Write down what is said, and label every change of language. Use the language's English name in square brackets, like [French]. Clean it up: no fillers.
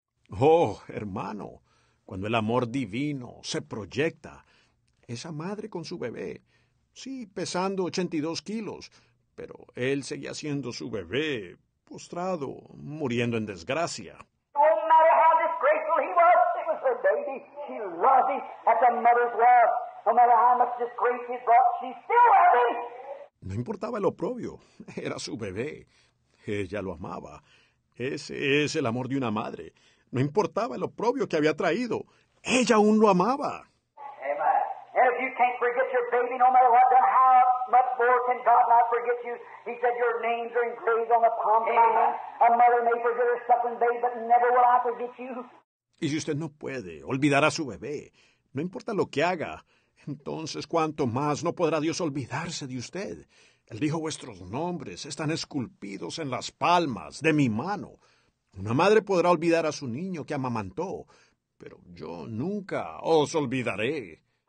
[Spanish] Oh, hermano, cuando el amor divino se proyecta, esa madre con su bebé, sí, pesando 82 kilos, pero él seguía siendo su bebé, postrado, muriendo en desgracia. [English] No matter how disgraceful he was, it was her baby. She loved him. That's a mother's love. No matter how much disgrace he brought, she still loved him. [Spanish] No importaba el oprobio. Era su bebé. Ella lo amaba. Ese es el amor de una madre. No importaba el oprobio que había traído. Ella aún lo amaba. [English] And if you can't forget your baby, no matter what, then how much more can God not forget you? He said, your names are engraved on the palm of my hand. A mother may forget her suckling babe, but never will I forget you. [Spanish] Y si usted no puede olvidar a su bebé, no importa lo que haga, entonces, ¿cuánto más no podrá Dios olvidarse de usted? Él dijo, vuestros nombres están esculpidos en las palmas de mi mano. Una madre podrá olvidar a su niño que amamantó, pero yo nunca os olvidaré.